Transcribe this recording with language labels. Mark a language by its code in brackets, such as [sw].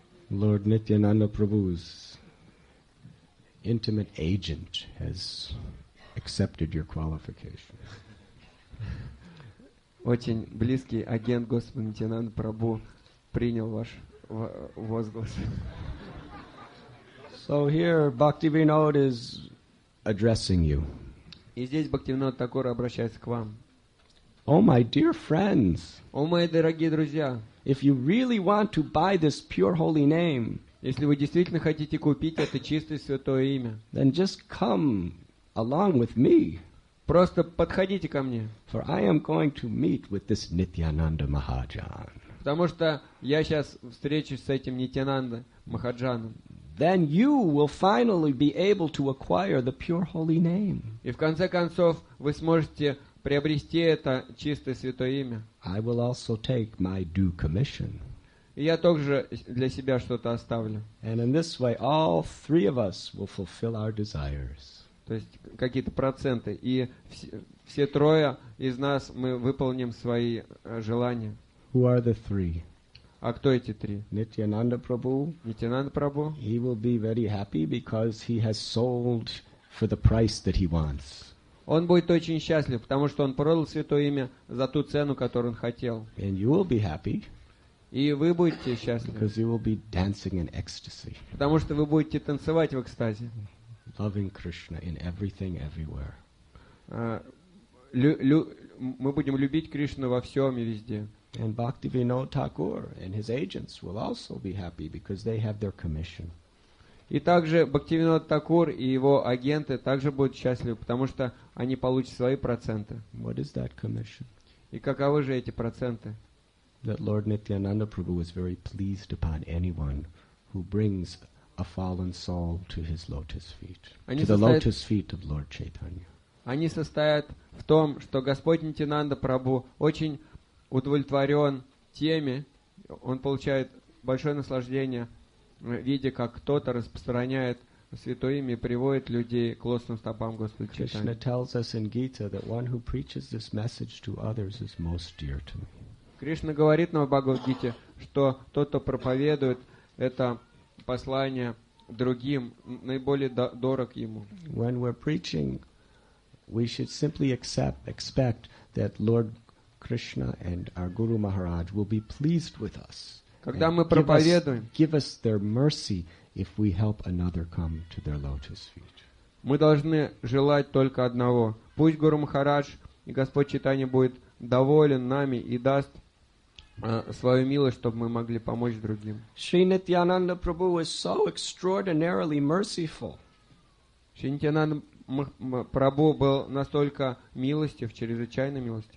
[en] Lord Nityananda Prabhu's intimate agent has accepted your qualification. [ru] Очень близкий агент Господа Нитянанда Прабху принял ваш возглас. [en] So here Bhaktivinoda is addressing you. [ru] И здесь Бхактивинода Тхакура обращается к вам. [en] Oh my dear friends. [ru] О мои дорогие друзья. [en] If you really want to buy this pure holy name, [ru] если вы действительно хотите купить это чистое святое имя, [en] then just come along with me. [ru] Просто подходите ко мне. [en] For I am going to meet with this Nityananda Mahajan. [ru] Потому что я сейчас встречусь с этим Нитянанда Махаджаном. [en] Then you will finally be able to acquire the pure holy name. [ru] И в конце концов вы сможете приобрести это чистое святое имя. [en] I will also take my due commission. [ru] И я также для себя что-то оставлю. [en] And in this way, all three of us will fulfill our desires. [ru] То есть какие-то проценты, и все трое из нас мы выполним свои желания. [en] Who are the three? [ru] А кто эти три? [en] Nityananda Prabhu. [ru] Nityananda Prabhu. [en] He will be very happy because he has sold for the price that he wants. [ru] Он будет очень счастлив, потому что он продал святое имя за ту цену, которую он хотел. [en] And you will be happy. [ru] И вы будете счастливы. [en] Because you will be dancing in ecstasy. [ru] Потому что вы будете танцевать в экстазе. [en] Loving Krishna in everything, everywhere. [ru] Мы будем любить Кришну во всем и везде. [en] And Bhaktivinoda Thakur and his agents will also be happy because they have their commission. [ru] И также Бхактивинода Тхакур и его агенты также будут счастливы, потому что они получат свои проценты. [en] What is that commission? [ru] И каковы же эти проценты? [en] That Lord Nityananda Prabhu is very pleased upon anyone who brings a fallen soul to his lotus feet, lotus feet of Lord Chaitanya. [ru] Они состоят в том, что Господь Нитянанда Прабху очень удовлетворен теми, он получает большое наслаждение, видя, как кто-то распространяет святое имя и приводит людей к лотосным стопам Господа Чайтаньи. [en] Krishna tells us in Gita that one who preaches this message to others is most dear to me. [ru] Кришна говорит нам в Бхагавад-гите, что тот, кто проповедует это послание другим, наиболее дорог ему. [en] When we're preaching, we should simply expect that Lord Krishna and our Guru Maharaj will be pleased with us. [ru] Когда мы проповедуем, [en] give us their mercy if we help another come to their lotus feet. [ru] Мы должны желать только одного. Пусть Гуру Махарадж и Господь Чайтанья будет доволен нами и даст свою милость, чтобы мы могли помочь другим. [en] Шри Нитьянанда Прабху is so extraordinarily merciful. [ru] Шри Нитьянанда Прабху был настолько милостив, чрезвычайно милостив.